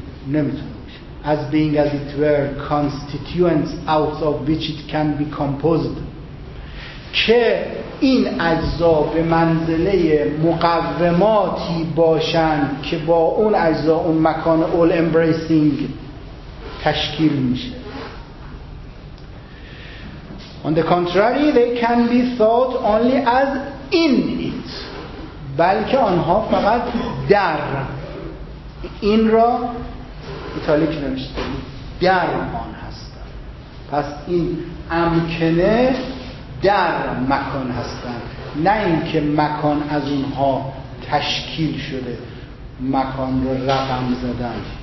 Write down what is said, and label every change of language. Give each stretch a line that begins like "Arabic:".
Persian: نمیتونه باشه.
English: As being as it were constituents out of which it can be composed.
Persian: که این اجزا به منزله مقوماتی باشند که با اون اجزا اون مکان
English: all embracing
Persian: تشکیل میشه.
English: On the contrary, they can be thought only as in it.
Persian: بلکه آنها فقط در این را ایتالیک نمیشه در آن هستن. پس این امکنه در مکان هستن، نه اینکه مکان از اونها تشکیل شده، مکان رو رقم زدن.